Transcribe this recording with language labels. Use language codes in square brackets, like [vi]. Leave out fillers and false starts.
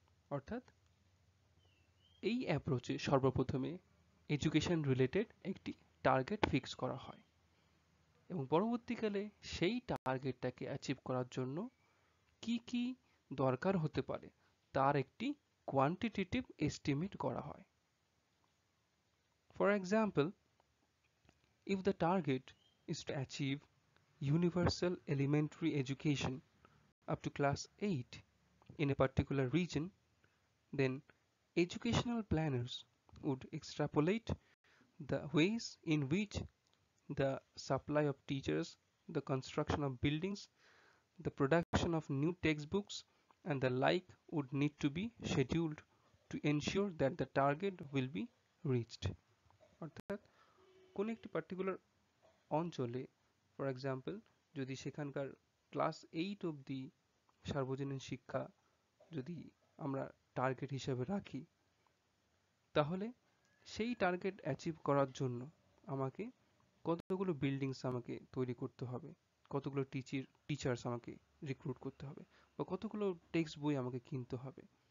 [bn] অর্থাৎ এই অ্যাপ্রোচে সর্বপ্রথমে এডুকেশন রিলেটেড একটি টার্গেট ফিক্স করা হয়, এবং পরবর্তীকালে সেই টার্গেটটাকে অ্যাচিভ করার জন্য কি কি দরকার হতে পারে তার একটি কোয়ান্টিটেটিভ এস্টিমেট করা হয়। [en] For example, if the target is to achieve universal elementary education up to class 8 in a particular region, then educational planners would extrapolate the ways in which the supply of teachers, the construction of buildings, the production of new textbooks and the like would need to be scheduled to ensure that the target will be reached. [bn] অর্থাৎ কোন একটি particular অঞ্চলে, for example যদি সেখানকার class 8 অবধি সার্বজনীন শিক্ষা যদি আমরা টার্গেট হিসেবে রাখি, তাহলে সেই টার্গেট অ্যাচিভ করার জন্য আমাকে কতগুলো বিল্ডিংস আমাকে তৈরি করতে হবে, কতগুলো টিচার্স আমাকে রিক্রুট করতে হবে, বা কতগুলো টেক্সট বই আমাকে কিনতে হবে।